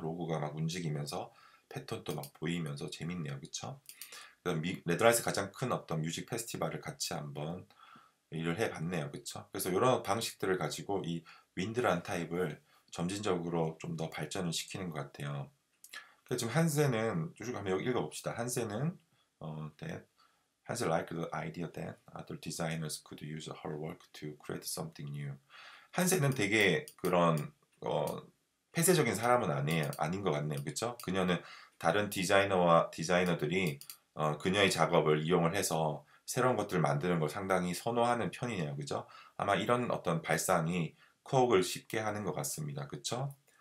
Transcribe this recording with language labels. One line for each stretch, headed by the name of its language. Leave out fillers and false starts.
Korean: 로고가 막 움직이면서 패턴도 막 보이면서 재밌네요. 그렇죠? 네덜란드에서 가장 큰 어떤 뮤직 페스티벌을 같이 한번 일을 해봤네요. 그렇죠? 그래서 이런 방식들을 가지고 이 윈드란 타입을 점진적으로 좀더 발전을 시키는 것 같아요. 그래서 지금 한세는 쭉 한번 여기 읽어봅시다. 한세는
English: that has like the idea that other designers could use her work to create something new.
Korean: 한세는 되게 그런 폐쇄적인 사람은 아니에요. 아닌 것 같네요. 그렇죠? 그녀는 다른 디자이너들이 그녀의 작업을 이용을 해서 새로운 것들을 만드는 걸 상당히 선호하는 편이네요. 그죠? 아마 이런 어떤 발상이 코업을 쉽게 하는 것 같습니다. 그쵸?